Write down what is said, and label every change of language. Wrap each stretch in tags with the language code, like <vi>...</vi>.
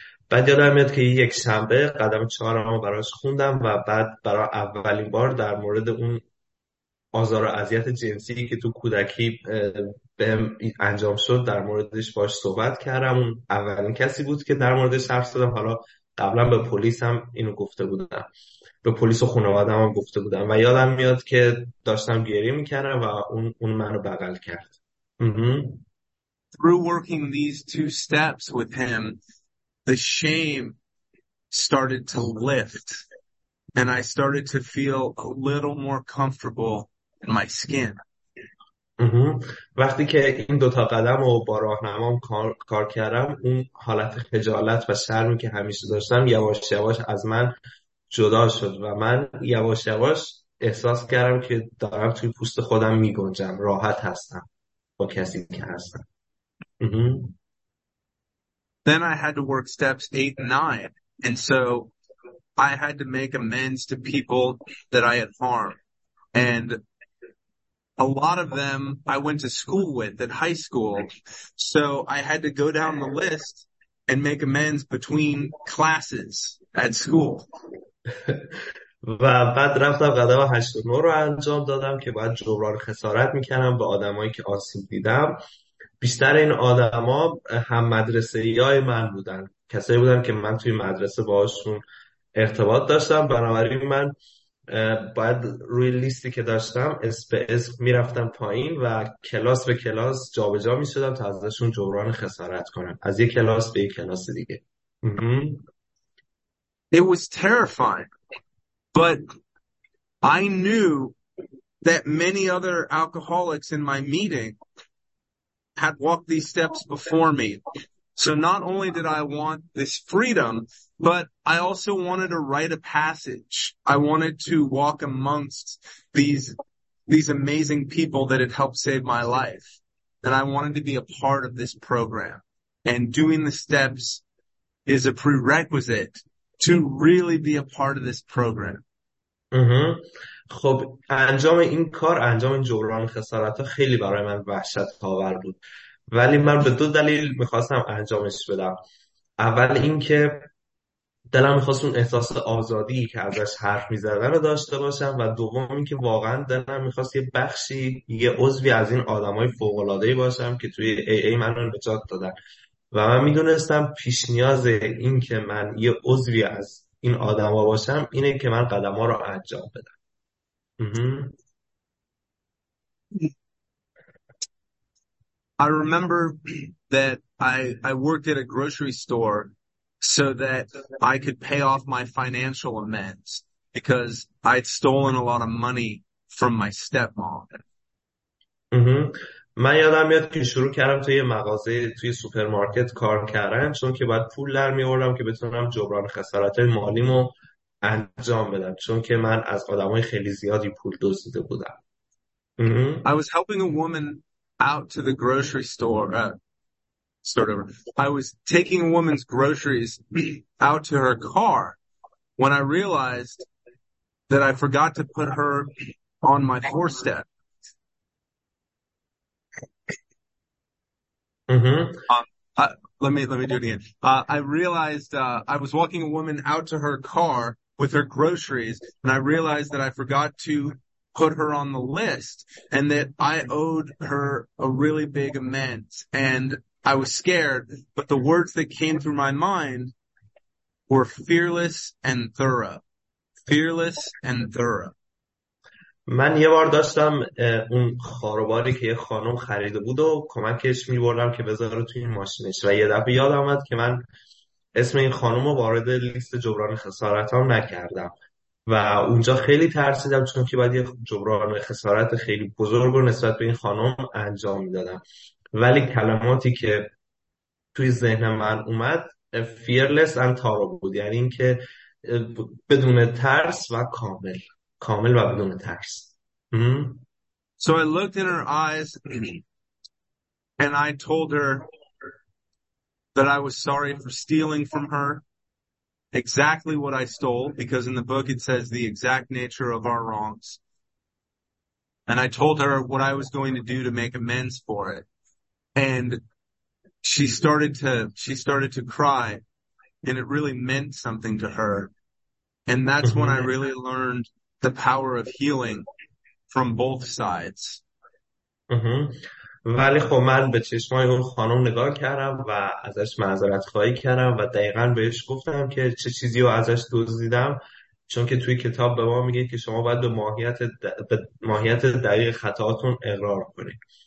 <fa>بعد یادم میاد که یک شنبه قدم چهارم رو براش خوندم و بعد برای اولین بار در مورد اون آزار و اذیت جنسی که تو کودکی به انجام شد در موردش باش صحبت کردم. اون اولین کسی بود که در موردش حرف زدم، حالا قبلا به پلیس هم اینو گفته بودم، به پلیس و خانواده‌ام هم گفته بودم، و یادم میاد که داشتم گریه میکردم و اون منو بغل کرد.</fa> <en>Through working these two steps with him, the shame started to lift, and I started to feel a little more comfortable in my skin.</en> <fa>وقتی که این دوتا قدم رو با راهنمام کار کردم، اون حالت خجالت و شرمی که همیشه داشتم یواش یواش از من جدا شد و من یواش یواش احساس کردم که دارم توی پوست خودم می گنجم، راحت هستم با کسی که هستم.</fa> <en>Then I had to work steps 8 and 9. And so I had to make amends to people that I had harmed. And a lot of them I went to school with at high school. So I had to go down the list and make amends between classes at school.</en> <fa>و بعد رفتم قدم 8 و 9 رو انجام دادم که باید جبران خسارت میکردم به آدمایی که آسیب دیدم. بیشتر این آدما هم مدرسه یای من بودن، کسایی بودن که من توی مدرسه باهاشون ارتباط داشتم، بنابراین من باید روی لیستی که داشتم اسم به اسم میرفتم پایین و کلاس به کلاس جابجا میشدم تا ازشون جبران خسارت کنم، از یک کلاس به یک کلاس دیگه.</fa> <en>It was terrifying, but I knew that many other alcoholics in my meeting had walked these steps before me. So not only did I want this freedom, But I also wanted a rite of passage. I wanted to walk amongst these amazing people that had helped save my life. And I wanted to be a part of this program. And doing the steps is a prerequisite to really be a part of this program.</en> <fa>خب انجام این کار، انجام جبران خسارت ها خیلی برای من وحشت آور بود، ولی من به دو دلیل میخواستم انجامش بدم. اول اینکه دلم میخواست اون احساس آزادی که ازش حرف میزدن رو داشته باشم، و دوم اینکه واقعا دلم میخواست یه بخشی، یه عضوی از این آدم های فوقلادهی باشم که توی ای ای من رو نجات دادن. و من میدونستم پیش نیاز این که من یه عضوی از این آدم ها باشم اینه که من قدم ها رو انجام بدم.</fa> <en>I remember that I worked at a grocery store so that I could pay off my financial amends because I'd stolen a lot of money from my stepmom.</en> <fa>من یادم میاد که شروع کردم توی مغازه، توی سوپرمارکت کار کردم، چون که باید پول در میآوردم که بتونم جبران خسارت مالیمو انجام بدم، چون که من از آدمای خیلی زیادی پول دزدیده بودم.</fa> <en>I was helping a woman out to the grocery store. Start over. I was taking a woman's groceries out to her car when I realized that I forgot to put her on my doorstep. Let me do it again. I realized I was walking a woman out to her car with her groceries, and I realized that I forgot to put her on the list and that I owed her a really big amends, and I was scared, but the words that came through my mind were fearless and thorough. Fearless and thorough.</en> <fa>من یه بار داشتم اون خارباری که یه خانم خریده بود و کمکش می بردم که بذاره توی این ماشینش، و یه دفعه یادم اومد که من اسم این خانم رو وارد لیست جبران خسارت ها نکردم، و اونجا خیلی ترسیدم، چون که باید یه جبران خسارت خیلی بزرگ رو نسبت به این خانم انجام می دادم. ولی کلماتی که توی ذهن من اومد</fa> <en>fearless and thorough</en> <fa>بود، یعنی این که بدون ترس و کامل، کامل و بدون ترس.</fa> <en>So I looked in her eyes and I told her that I was sorry for stealing from her exactly what I stole, because in the book it says the exact nature of our wrongs. And I told her what I was going to do to make amends for it. And she started to cry, and it really meant something to her. And that's when I really learned the power of healing from both sides.</en> <fa>ولی خب من به چشمای اون خانم نگاه کردم و ازش معذرت خواهی کردم، و دقیقا بهش گفتم که چه چیزی رو ازش دزدیدم، چون که توی کتاب به ما میگه که شما باید به ماهیت دقیق خطاهاتون اقرار کنید.</fa>